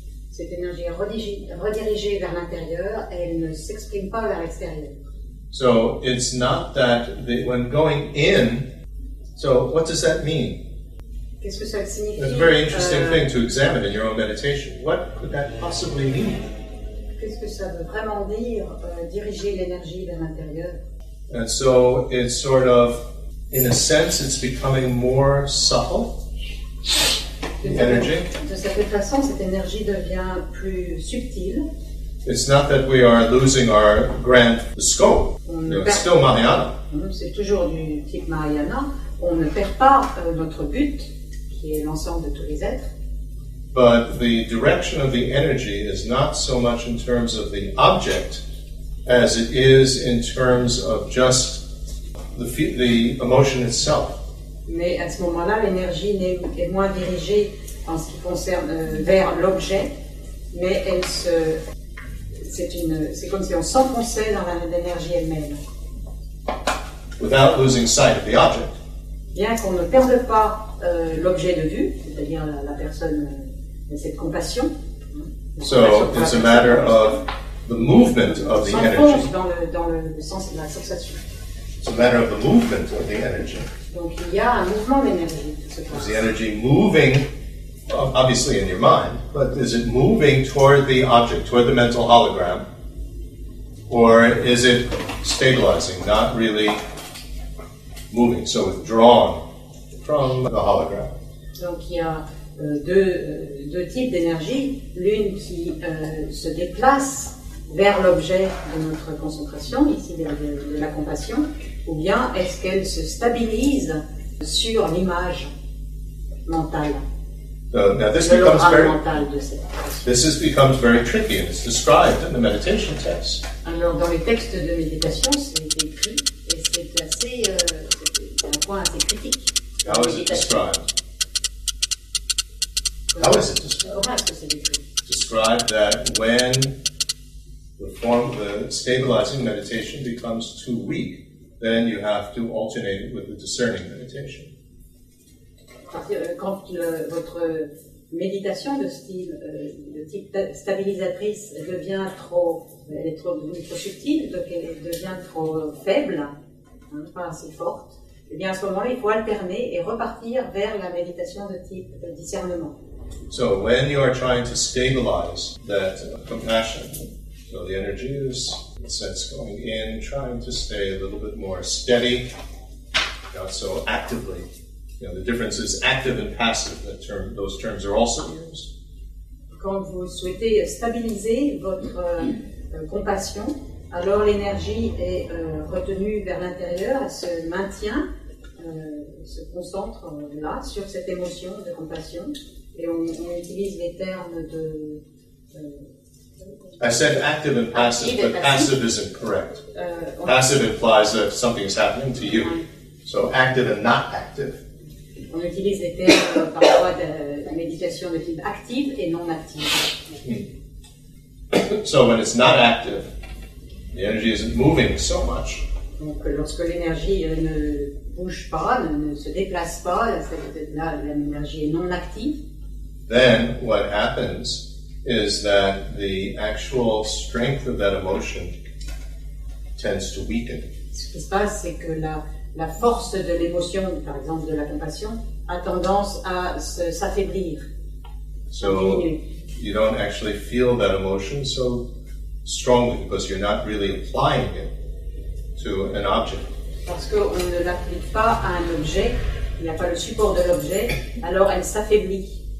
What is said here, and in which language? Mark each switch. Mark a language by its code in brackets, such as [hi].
[fr] Cette énergie est redirigée vers l'intérieur, elle ne s'exprime pas vers l'extérieur. [en] So it's not that when going in, so what does that mean? [fr] Qu'est-ce que ça signifie? [en] It's a very interesting thing to examine in your own meditation. What could that possibly mean? [fr] Qu'est-ce que ça veut vraiment dire, diriger l'énergie vers l'intérieur? [en] And so it's sort of, in a sense, it's becoming more subtle, the energy. [fr] De cette façon, cette énergie devient plus subtile. [en] It's not that we are losing our grand scope. It's still Mahayana. [fr] C'est toujours du type Mahayana. On ne perd pas notre but, qui est l'ensemble de tous les êtres. [en] But the direction of the energy is not so much in terms of the object as it is in terms of just the emotion itself. [fr] Mais à ce moment-là, l'énergie est moins dirigée en ce qui concerne vers l'objet, mais c'est comme si on s'enfonçait dans l'énergie elle-même. [en] Without losing sight of the object. [fr] Bien qu'on ne perde pas l'objet de vue, c'est-à-dire la personne, cette compassion. [en] So it's a matter of the movement of the energy. [fr] On s'enfonce dans le sens de la sensation. [en] It's a matter of the movement of the energy. [fr] Donc il y a un mouvement d'énergie. [en] Is the energy moving? Obviously in your mind, but is it moving toward the object, toward the mental hologram, or is it stabilizing, not really moving, so withdrawn from the hologram? [fr] Donc il y a deux types d'énergie, l'une qui se déplace vers l'objet de notre concentration, ici de la compassion, ou bien est-ce qu'elle se stabilise sur l'image mentale? [en] Now this becomes very tricky, and it's described in the meditation text. [fr] Alors dans les textes de méditation, c'est écrit et c'est assez un point assez critique. [en] How is it described? How is it described? Describe that when the form, the stabilizing meditation becomes too weak, then you have to alternate it with the discerning meditation. [fr] Quand votre méditation de style, de type stabilisatrice devient trop, elle est trop subtile, donc elle devient trop faible, hein, pas assez forte, et bien à ce moment-là, il faut alterner et repartir vers la méditation de type discernement. [en] So when you are trying to stabilize that compassion, so the energy is, in a sense, going in, trying to stay a little bit more steady, not so actively. You know, the difference is active and passive. That term, those terms are also used. [fr] Quand vous souhaitez stabiliser votre compassion, alors l'énergie est retenue vers l'intérieur, elle se maintient, se concentre là, sur cette émotion de compassion. Et on utilise les termes de... [en] I said active and passive, but passive isn't correct. Passive implies that something is happening to you. So active and not active. [fr] On utilise les termes parfois de méditation de type active et non active. [en] So when it's not active, the energy isn't moving so much. [fr] Donc lorsque l'énergie ne bouge pas, ne se déplace pas, là l'énergie est non active. [en] Then what happens is that the actual strength of that emotion tends to weaken. [fr] Ce qui se passe, c'est que la force de l'émotion, par exemple de la compassion, a tendance à s'affaiblir. [en] So you don't actually feel that emotion so strongly because you're not really applying it to an object. [fr] Parce qu'on ne l'applique pas à un objet, il n'y a pas le support de l'objet, alors elle s'affaiblit.